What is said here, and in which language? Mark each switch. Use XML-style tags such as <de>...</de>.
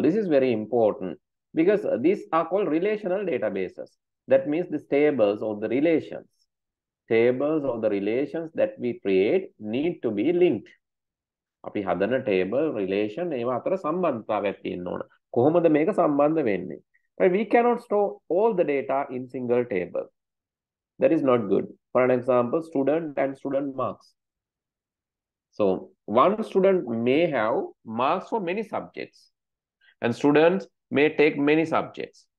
<en>This is very important because these are called relational databases. That means these tables or the relations. Tables or the relations that we create need to be linked.</en> <si>අපි හදන table relation ඒව අතර සම්බන්ධතාවයක් තියෙන්න ඕන. කොහොමද මේක සම්බන්ධ වෙන්නේ?</si> <en>Right, we cannot store all the data in single table. That is not good. For an example, student and student marks. So one student may have marks for many subjects, and students may take many subjects.</en>